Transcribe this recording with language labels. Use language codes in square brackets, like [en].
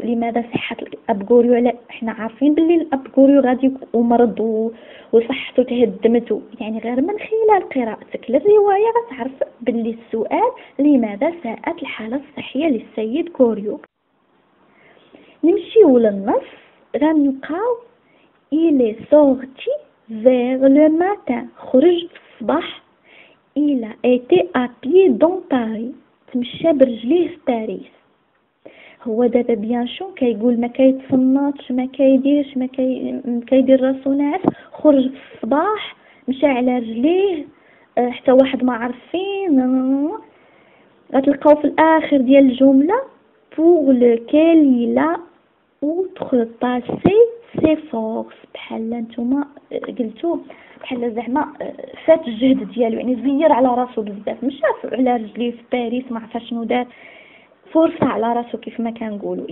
[ar] لماذا صحة الاب غوريو؟ لا احنا عارفين باللي الاب غوريو غادي ومرض وصحته تهدمته، يعني غير من خلال قراءتك للرواية غتعرف باللي السؤال لماذا ساءت الحالة الصحية للسيد غوريو. نمشيو للنص غنلقاو [fr] إلي سورتي vers le matin، [ar] خرج في الصباح. [fr] il a été à pied dans Paris، [ar] تمشى برجليه في باريس. هو دابا بيانشون كيقول ما كيتصنطش ما كيديرش ما كي كيدير راسو ناعس، خرج في الصباح مشى على رجليه حتى واحد ما عرف فين. غتلقاو في الاخر ديال الجمله [fr] pour lequel il a outrepassé سي فورس، [ar] بحال نتوما قلتو بحال زعما فات الجهد ديالو، يعني زير على راسو بزاف، مشى على رجليه في باريس ما عرف شنو دار، فرصة على راسو كيف ما كنقولو.